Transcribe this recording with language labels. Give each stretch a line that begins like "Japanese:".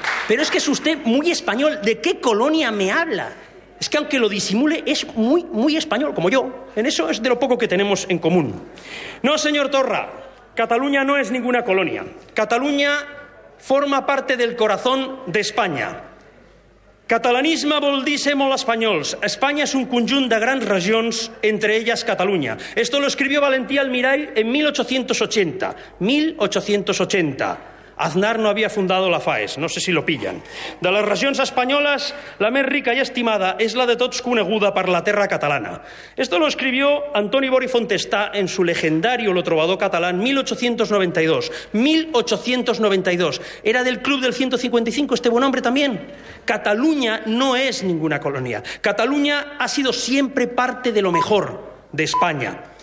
Spanish: Pero es que es usted muy español. ¿De qué colonia me habla? Es que aunque lo disimule, es muy, muy español, como yo. En eso es de lo poco que tenemos en común. No, señor Torra, Cataluña no es ninguna colonia. Cataluña forma parte del corazón de España.
Catalan: Catalanisme vol dir ser molt espanyols. Espanya és un conjunt de grans regions, entre elles Catalunya.
Spanish: Esto lo escribió Valentí Almirall en 1880. 1880. Aznar no havia fundado la FAES, no sé si lo pillan.
Catalan: De les regions espanyoles, la més rica i estimada és la de tots coneguda per la terra catalana.
Spanish: Esto lo escribió Antoni Bori Fontestà en su legendario Lo Trovador Catalán, 1892. 1892. Era del Club del 155, este buen hombre también. Cataluña no es ninguna colonia. Cataluña ha sido siempre parte de lo mejor de España.